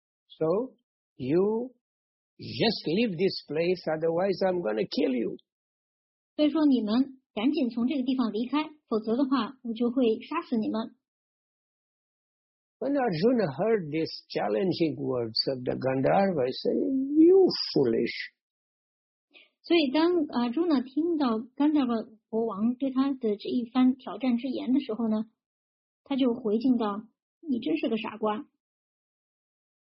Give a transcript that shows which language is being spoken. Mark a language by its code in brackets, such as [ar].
[en] So you just leave this place, otherwise I'm going to kill you. [zh] 所以说你们赶紧从这个地方离开，否则的话我就会杀死你们。 [en] When Arjuna heard these challenging words of the Gandharva, he said, "You foolish!" So when Arjuna heard [zh] Gandharva 国王对他的这一番挑战之言的时候呢，他就回敬道：“你真是个傻瓜！"